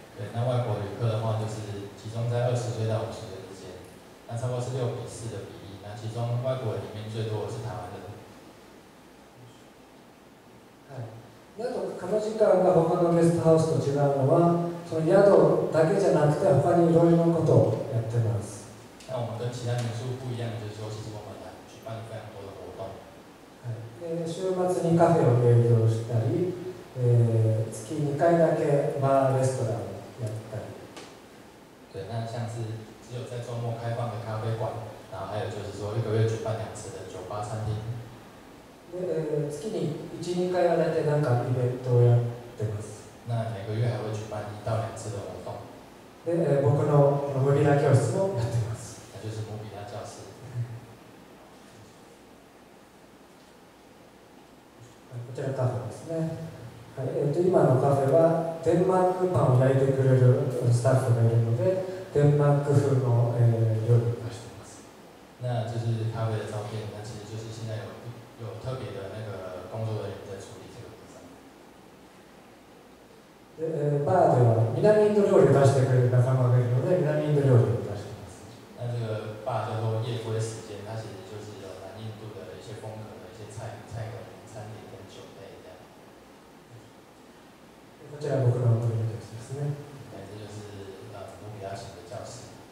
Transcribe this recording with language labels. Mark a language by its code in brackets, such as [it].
[zh] 对，那外国旅客的话就是集中在二十岁到五十岁之间，那差不多是六比四的比例。那其中外国人里面最多的是台湾的。 [ja] はい。なんとこの時間が他のゲストハウスと違うのは、その宿だけじゃなくて他にいろいろなことをやってます。 [zh] 那我们跟其他民宿不一样的就是说，其实我们呢举办了非常多的活动。 [ja] はい。週末にカフェを営業したり。月2回だけバーレストランをやったり。 [zh] 对，那像是只有在周末开放的咖啡馆，然后还有就是说一个月举办两次的酒吧餐厅。 [ja] 月に1、2回は大体なんかイベントをやってます。 [zh] 那每个月还会举办一到两次的活动。 [ja] で、僕のムビラ教室もやってます。 [zh] 那就是ムビラ教室。 [ja] こちらカフェですね。はい、今のカフェはデンマークパンを焼いてくれるスタッフがいるので、デンマーク風の、料理を出しています。 [zh] 那就是咖啡的照片，那其实就是现在 有特别的那个工作人员在处理这个部分。 [ja] で、バーでは南インド料理を出してくれる仲間がいるので、南インド料理を出しています。 [zh] 那这个バー叫做夜归时间，它其实就是有南印度的一些风格的一些菜馆。 [ja] こちらは僕のトイレ教室ですね。はい、これは僕の教室の教室。